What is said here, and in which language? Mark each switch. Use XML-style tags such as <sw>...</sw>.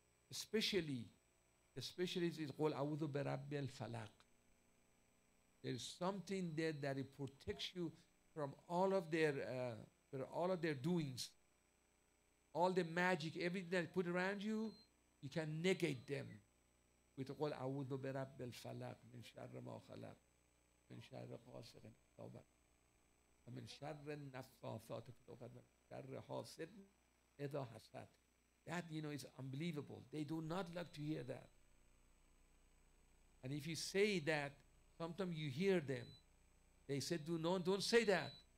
<en>Especially is</en> <ar>قُلْ أَعُوذُ بِرَبِّ الْفَلَقِ.</ar> <en>There is something there that it protects you from all of their doings, all the magic, everything that is put around you. You can negate them with</en> <ar>قُلْ أَعُوذُ بِرَبِّ الْفَلَقِ مِنْ شَرِّ مَا خَلَقَ مِنْ شَرِّ غَاسِقٍ إِذَا وَقَبَ وَمِنْ شَرِّ النَّفَّاثَاتِ فِي الْعُقَدِ وَمِنْ شَرِّ حَاسِدٍ إِذَا حَسَدَ.</ar> <en>That, is unbelievable. They do not like to hear that. And if you say that, sometimes you hear them. They said, don't say that.</en>